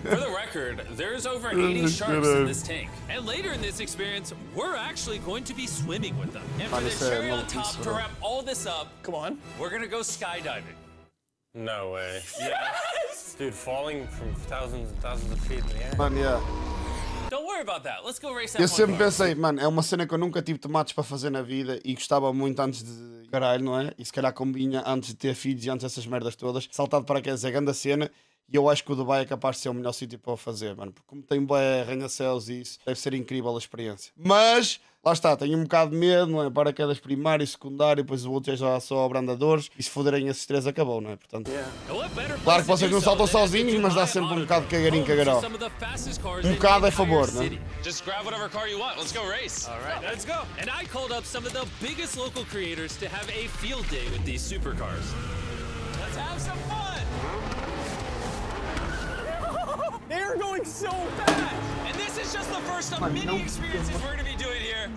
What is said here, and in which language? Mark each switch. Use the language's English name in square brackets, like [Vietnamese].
[English] For the record, there's over 80 sharks in this tank. And later in this experience, we're actually going to be swimming with them. And for the cherry on top, to wrap all this up, come on, we're gonna go skydiving. No way. Yes! Dude, falling from thousands and thousands of feet in the air. Man, yeah. Don't worry about that. Let's go race. [Portuguese] Eu sempre pensei, mano, é uma cena que eu nunca tive tomates para fazer na vida e gostava muito antes de. Caralho, não é? E se calhar combina antes de ter filhos e antes dessas merdas todas, saltar de paraquedas é grande a cena. E eu acho que o Dubai é capaz de ser o melhor sítio para fazer, mano. Porque como tem bué arranha-céus e isso, deve ser incrível a experiência. Mas, lá está, tenho um bocado de medo, não é? Para aquelas primárias, secundárias, depois o outro já só abrandadores. E se foderem esses três, acabou, não é? Portanto, claro que vocês não saltam sozinhos, mas dá sempre um bocado de cagarinho, cagarão. Um bocado é favor, não é? [English] Just grab whatever car you want. Let's go race. All right, let's go. And I called up some of the biggest local creators to have a field day with these supercars. Let's have some fun! They're going so fast! And this is just the first of many experiences we're gonna be doing here.